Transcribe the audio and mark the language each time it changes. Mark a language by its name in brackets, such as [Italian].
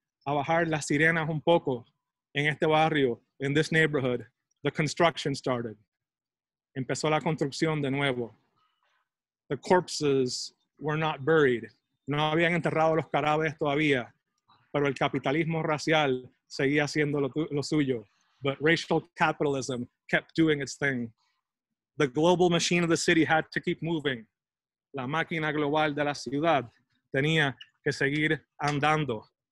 [Spanish] a bajar las sirenas un poco en este barrio, [English] in this neighborhood, the construction started. [Spanish] Empezó la construcción de nuevo. [English] The corpses were not buried. [Spanish] No habían enterrado los cadáveres todavía, pero el capitalismo racial seguía haciendo lo suyo. [English] But racial capitalism kept doing its thing. The global machine of the city had to keep moving. [Spanish] La máquina global de la ciudad tenía que seguir andando.